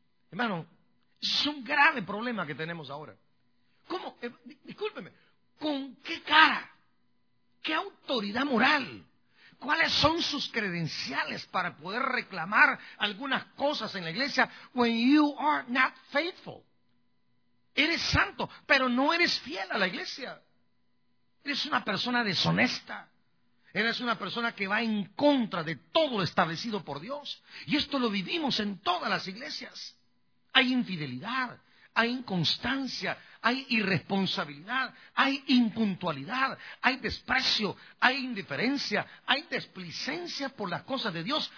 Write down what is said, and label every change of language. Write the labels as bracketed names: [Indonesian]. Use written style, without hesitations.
[Spanish] Hermano, es un grave problema que tenemos ahora. ¿Cómo? Discúlpeme. ¿Con qué cara? ¿Qué autoridad moral? ¿Cuáles son sus credenciales para poder reclamar algunas cosas en la iglesia? [English] When you are not faithful. [Spanish] Eres santo, pero no eres fiel a la iglesia. Eres una persona deshonesta. Eres una persona que va en contra de todo lo establecido por Dios. Y esto lo vivimos en todas las iglesias. Hay infidelidad, hay inconstancia, hay irresponsabilidad, hay impuntualidad, hay desprecio, hay indiferencia, hay desplicencia por las cosas de Dios.